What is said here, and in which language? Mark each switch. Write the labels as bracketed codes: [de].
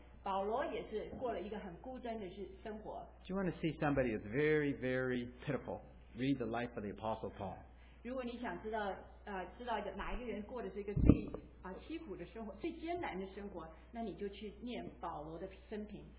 [zh] 保罗也是过了一个很孤单的生活。 [en] Do you want to see somebody that's very, very pitiful? Read the life of the Apostle Paul. [zh] 如果你想知道哪一个人过的是一个最辛苦的生活，最艰难的生活，那你就去念保罗的生平。